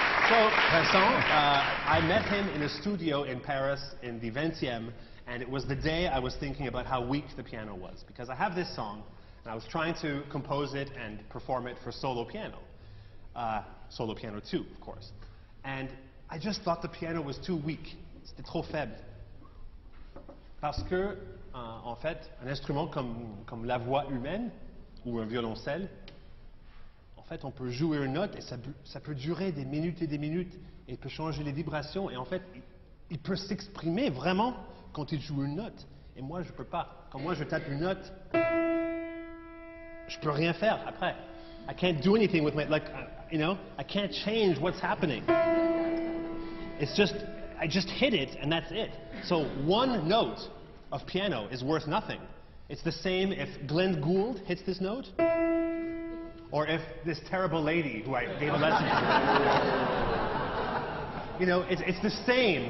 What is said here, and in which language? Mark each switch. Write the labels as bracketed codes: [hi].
[en] So, Vincent, I met him in a studio in Paris in the 20th, and it was the day I was thinking about how weak the piano was, because I have this song, and I was trying to compose it and perform it for solo piano, solo piano 2, of course, and I just thought the piano was too weak. [fr] C'était trop faible. Parce que, en fait, un instrument comme la voix humaine, ou un violoncelle, en fait, on peut jouer une note et ça peut durer des minutes et des minutes et peut changer les vibrations. Et en fait, il peut s'exprimer vraiment quand il joue une note. Et moi, je ne peux pas. Quand moi, je tape une note, je ne peux rien faire après. [en] I can't do anything with my... Like, you know, I can't change what's happening. It's just... I just hit it and that's it. So one note of piano is worth nothing. It's the same if Glenn Gould hits this note. Or if this terrible lady who I gave a lesson to, you know, it's the same.